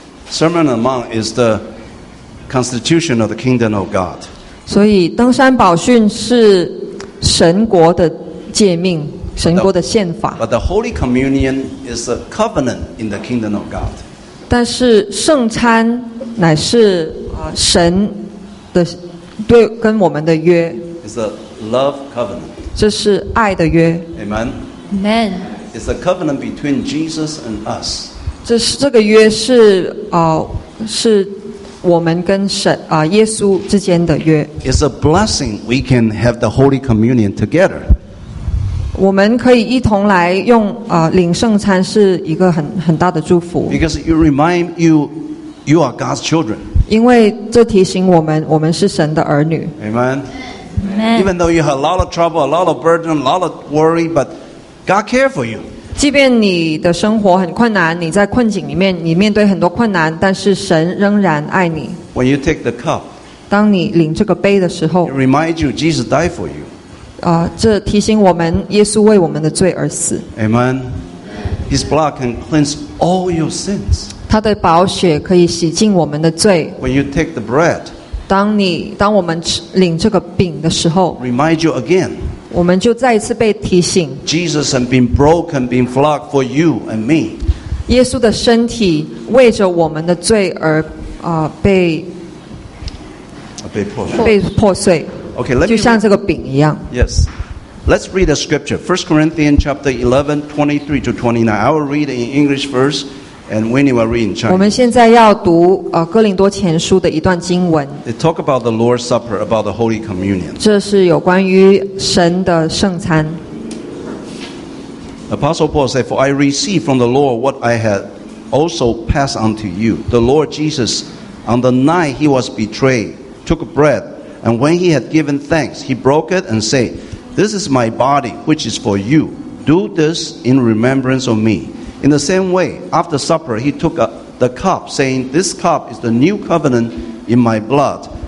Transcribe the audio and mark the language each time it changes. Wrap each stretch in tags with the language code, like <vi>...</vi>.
<en>Sermon on the Mount is the constitution of the kingdom of God.</en> <zh>所以登山宝训是神国的诫命，神国的宪法。</zh> <en>But the Holy Communion is a covenant in the kingdom of God.</en> <zh>但是圣餐乃是神的对跟我们的约。</zh> <en>It's a love covenant.</en> <zh>这是爱的约。</zh> <en>Amen. Amen. It's a covenant between Jesus and us.</en> <zh>这个约是是我们跟神耶稣之间的约。</zh> <en>It's a blessing we can have the Holy Communion together.</en> <zh>我们可以一同来用领圣餐是一个很大的祝福。</zh> <en>Because you remind you are God's children.</en> <zh>因为这提醒我们是神的儿女。</zh> <en>Amen. Amen. Even though you have a lot of trouble, a lot of burden, a lot of worry, but God cares for you.</en> <zh>即便你的生活很困难，你在困境里面，你面对很多困难，但是神仍然爱你。</zh> <en>When you take the cup,</en> <zh>当你领这个杯的时候</zh> <en>，It reminds you Jesus died for you.</en> <zh>这提醒我们，耶稣为我们的罪而死。</zh> <en>Amen. His blood can cleanse all your sins.</en> <zh>他的宝血可以洗净我们的罪。</zh> <en>When you take the bread,</en> <zh>当我们领这个饼的时候</zh> <en>，Remind you again.</en> <zh>我们就再一次被提醒</zh> <en>Jesus has been broken, been flogged for you and me.</en> <zh>耶稣的身体为着我们的罪而被破碎</zh> <en>okay, let me,</en> <zh>就像这个饼一样</zh> <en>Yes. Let's read a scripture 1 Corinthians chapter 11, 23 to 29 I will read in English first and Winnie will read in Chinese</en> <zh>我们现在要读哥林多前书的一段经文</zh> <en>They talk about the Lord's Supper about the Holy Communion</en> <zh>这是有关于神的圣餐</zh> <en>Apostle Paul said For I received from the Lord what I had also passed on to you The Lord Jesus on the night he was betrayed took bread and when he had given thanks he broke it and said This is my body which is for you Do this in remembrance of meIn the same way, after supper, he took the cup, saying, This cup is the new covenant in my blood.</en>